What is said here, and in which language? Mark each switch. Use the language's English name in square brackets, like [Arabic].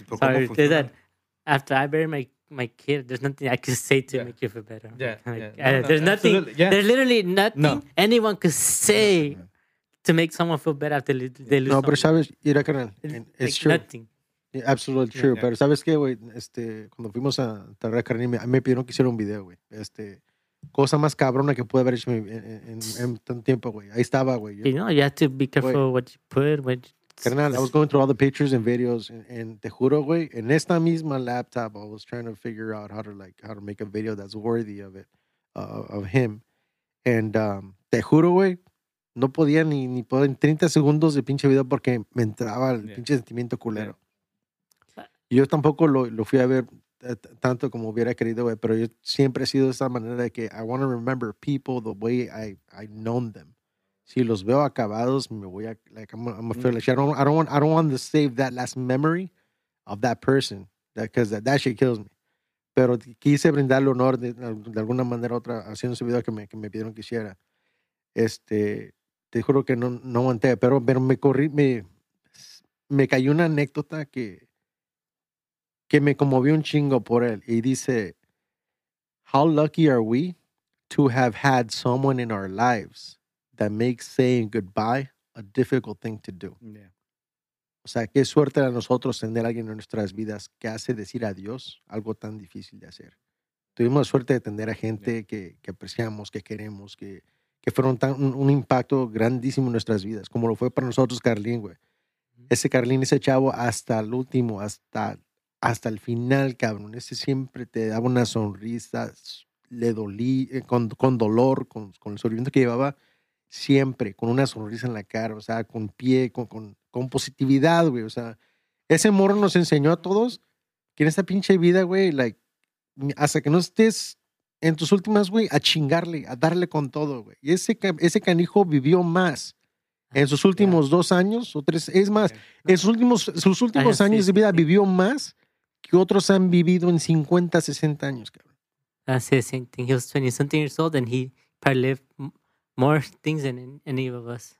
[English] Like, sorry, ¿cómo that after I bury my kid, there's nothing I can say to make you feel better. There's literally nothing anyone could say to make someone feel better after they lose. [Spanish] No, pero sabes, ir a canal. [English] It's true. Nothing. Yeah, absolutely true. Yeah, yeah. [Spanish] Pero sabes qué, güey, cuando fuimos a Tarra Carne, me pidieron que hiciera un video, güey. Cosa más cabrona que pude haber hecho en tanto tiempo, güey. Ahí estaba, güey. [English] You know, you have to be careful, wey, what you put. Carnal, I was going through all the pictures and videos, and [Spanish] te juro, güey, en esta misma laptop, [English] I was trying to figure out how to make a video that's worthy of it, of him. [Spanish] And te juro, güey, no podía ni poder en 30 segundos de pinche video porque me entraba el pinche sentimiento culero. Yeah. Yo tampoco lo fui a ver tanto como hubiera querido, güey, pero yo siempre he sido de esa manera de que [English] I want to remember people the way I known them. [Spanish] Si los veo acabados, me voy a, [English] like, I'm a feel like, I don't want to save that last memory of that person, because that shit kills me. [Spanish] Pero quise brindarle honor de alguna manera u otra haciendo ese video que me pidieron que hiciera. Te juro que no aguanté, pero me cayó una anécdota que me conmovió un chingo por él. Y dice, [English] how lucky are we to have had someone in our lives that makes saying goodbye a difficult thing to do. Yeah. [Spanish] O sea, qué suerte a nosotros tener a alguien en nuestras vidas que hace decir adiós algo tan difícil de hacer. Tuvimos la suerte de tener a gente que apreciamos, que queremos, que fueron un impacto grandísimo en nuestras vidas, como lo fue para nosotros Carlín, güey. Ese Carlín, ese chavo, hasta el último, hasta el final, cabrón. Ese siempre te daba una sonrisa, le dolía, con dolor, con el sufrimiento que llevaba, siempre, con una sonrisa en la cara, o sea, con pie, con positividad, güey. O sea, ese morro nos enseñó a todos que en esta pinche vida, güey, like, hasta que no estés en tus últimas, güey, a chingarle, a darle con todo, güey. Y ese canijo vivió más en sus últimos 2 años o 3, es más, en sus últimos años de vida vivió más que otros han vivido en 50, 60 años, cabrón. [English] That's the same thing. He was 20-something years old and he probably lived more things than any of us.